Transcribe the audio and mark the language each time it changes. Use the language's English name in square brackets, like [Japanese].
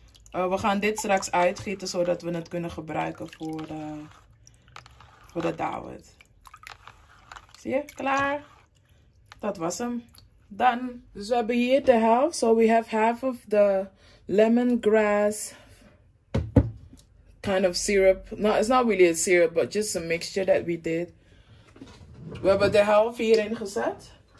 [Dutch] We gaan dit straks uitgieten zodat we het kunnen gebruiken voor de dawet. Zie je? Klaar. Dat was hem. Done. Dus we hebben hier de helft. [English] So we have half of the lemongrass kind of syrup. No, it's not really a syrup, but just a mixture that we did. [Dutch] We hebben de helft hierin gezet.